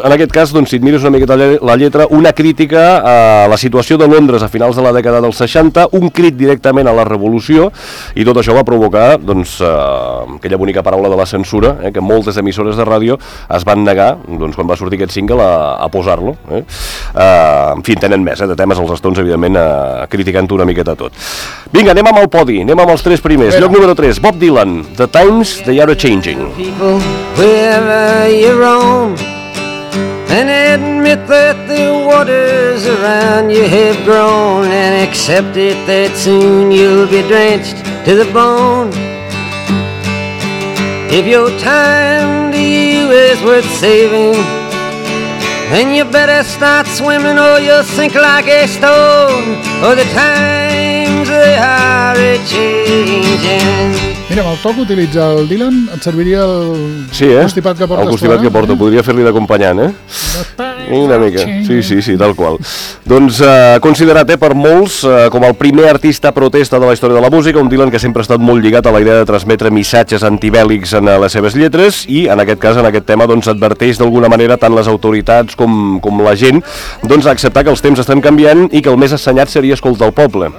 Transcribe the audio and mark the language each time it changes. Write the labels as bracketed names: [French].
[Catalan] En aquest cas, doncs, si et mires una miqueta la lletra, una crítica a la situació de Londres a finals de la dècada dels 60, un crit directament a la revolució, i tot això va provocar, doncs, aquella bonica paraula de la censura, que moltes emissores de ràdio es van negar, doncs, quan va sortir aquest single, a posar-lo. En fi, tenen més de temes els Stones, evidentment, criticant-ho una miqueta tot. Vinga, anem amb el podi, anem amb els tres primers. Lloc número 3, Bob Dylan, The Times, The Yard Changing. [English] People, wherever you roam, and admit that the waters around you have grown, and accept it that soon you'll be drenched to the bone. If your time to you is worth saving, then you better start swimming or you'll sink like a stone, or the times they are a-changing. [Catalan] Mira, amb el toc utilitza el Dylan, et serviria el constipat que porta. Sí, el constipat que porta, podria fer-li d'acompanyant, Una mica, sí, tal qual. Doncs considerat per molts com el primer artista protesta de la història de la música, un Dylan que sempre ha estat molt lligat a la idea de transmetre missatges antibèl·lics en les seves lletres, i en aquest cas, en aquest tema, doncs adverteix d'alguna manera tant les autoritats com la gent, doncs, a acceptar que els temps estan canviant i que el més assenyat seria escoltar el poble.